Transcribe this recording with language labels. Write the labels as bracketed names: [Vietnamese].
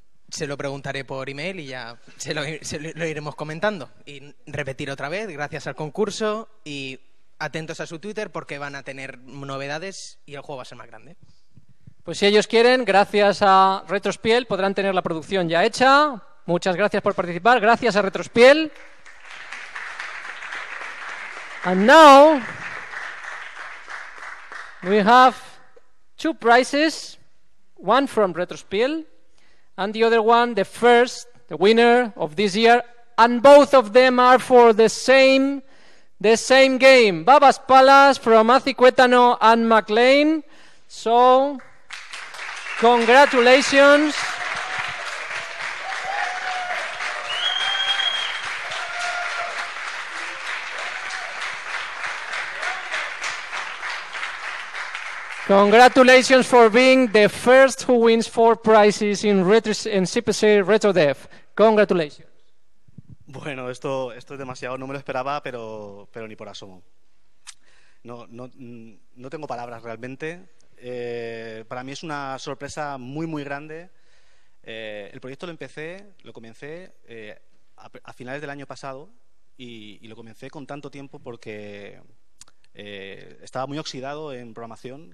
[Spanish] Se lo preguntaré por email y ya se lo iremos comentando. Y repetir otra vez, gracias al concurso y atentos a su Twitter porque van a tener novedades y el juego va a ser más grande. Pues si ellos quieren, gracias a RetroSpiel podrán tener la producción ya hecha. Muchas gracias por participar. Gracias a RetroSpiel. [English] And now we have 2 prizes, one from RetroSpiel and the other one, the first, the winner of this year, and both of them are for the same game, Babas Palace from Azicuétano and McLean. So, congratulations. Congratulations for being the first who wins 4 prizes in CPC RetroDev. Congratulations. [Spanish] Bueno, esto es demasiado, no me lo esperaba, pero ni por asomo. No tengo palabras realmente. Para mí es una sorpresa muy, muy grande. El proyecto lo comencé a finales del año pasado y lo comencé con tanto tiempo porque estaba muy oxidado en programación.